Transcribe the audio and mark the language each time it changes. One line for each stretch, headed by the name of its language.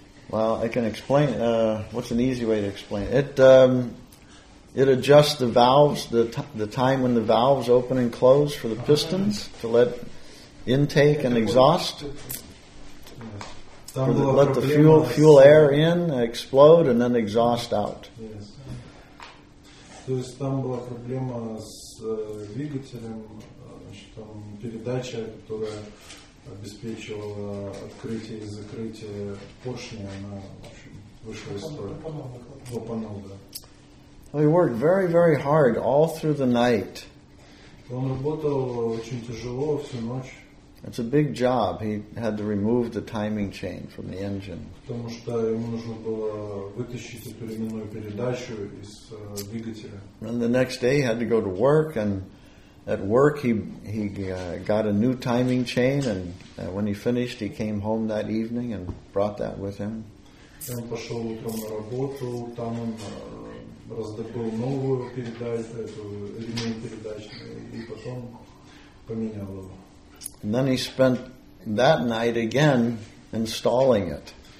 English: Well, I can explain. What's an easy way to explain it? It adjusts the valves, the time when the valves open and close for the pistons to let intake and exhaust. Let the fuel air in, explode, and then exhaust out.
Russian: То есть там была проблема с двигателем, значит, там передача, которая обеспечивала открытие и закрытие поршня, она, в общем, вышла из строя. Опанул, да.
English: He worked very, very hard all through the night.
Russian: Он работал очень тяжело всю ночь.
English: It's a big job. He had to remove the timing chain from the engine.
Russian: Потому что ему нужно было вытащить эту ременную передачу из двигателя.
English: And the next day he had to go to work, and at work he got a new timing chain, and when he finished he came home that evening and brought that with him.
Russian: Он пошел утром на работу, там он раздобыл новую передачу, эту ременную передачу, и потом поменял его.
English: And then he spent that night again installing it.